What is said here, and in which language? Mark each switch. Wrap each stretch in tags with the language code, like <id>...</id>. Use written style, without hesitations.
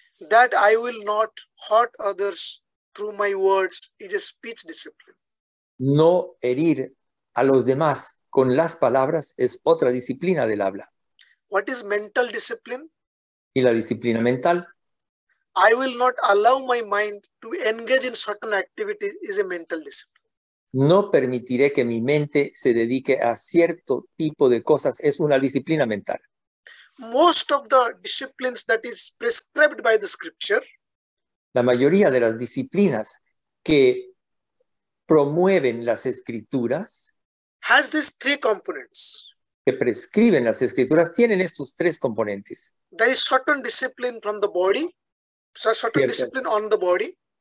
<en>That I will not hurt others through my words. It's a speech discipline.</en> <es>No herir a los demás con las palabras es otra disciplina del habla.</es> <en>What is mental discipline?</en> <es>Y la disciplina mental.</es> <en>I will not allow my mind to engage in certain activities is a mental discipline.</en> <es>No permitiré que mi mente se dedique a cierto tipo de cosas es una disciplina mental.</es> <en>Most of the disciplines that is prescribed by the scripture.</en> <es>La mayoría de las disciplinas que promueven las escrituras.</es> <en>Has these three components.</en> <es>Que prescriben las escrituras tienen estos tres componentes.</es> <en>There is certain discipline from the body, so certain</en> <es>ciertas,</es> <en>discipline on the body.</en>